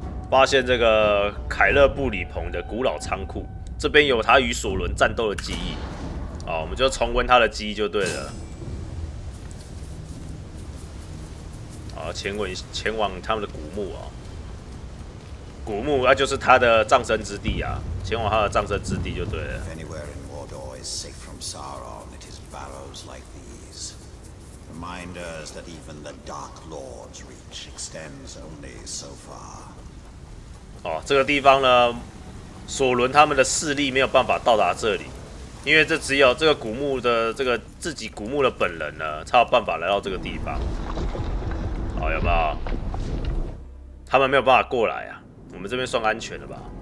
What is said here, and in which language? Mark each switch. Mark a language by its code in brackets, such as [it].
[zh] 发现这个凯勒布里蓬的古老仓库，这边有他与索伦战斗的记忆，哦，我们就重温他的记忆就对了。好，前往他们的古墓啊、哦，古墓那、啊、就是他的葬身之地啊，前往他的葬身之地就对了。 [en] Anywhere in Mordor is safe from Sauron, it is barrows like these, reminders that even the Dark Lord's reach extends only so far. [zh] 哦，这个地方呢，索伦他们的势力没有办法到达这里，因为这只有这个古墓的这个自己古墓的本人呢，才有办法来到这个地方。哦，有没有？他们没有办法过来啊，我们这边算安全的吧？